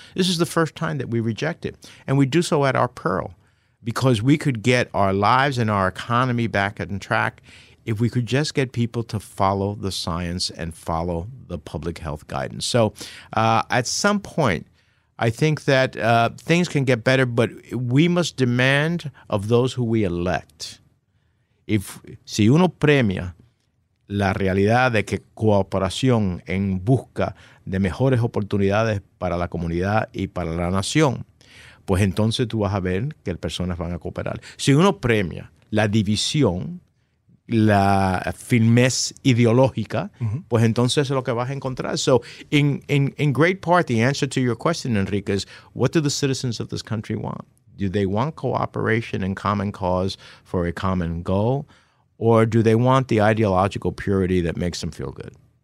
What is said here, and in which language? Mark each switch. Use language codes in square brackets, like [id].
[en] This is the first time that we reject it. And we do so at our peril because we could get our lives and our economy back on track if we could just get people to follow the science and follow the public health guidance. So at some point, I think that things can get better, but we must demand of those who we elect. [es] If si uno premia la realidad de que cooperación en busca de mejores oportunidades para la comunidad y para la nación, pues entonces tú vas a ver que las personas van a cooperar. Si uno premia la división, la firmez ideológica, mm-hmm. pues entonces es lo que vas a encontrar. [en] So in great part, the answer to your question, Enrique, is what do the citizens of this country want? Do they want cooperation and common cause for a common goal? Or do they want the ideological purity that makes them feel good?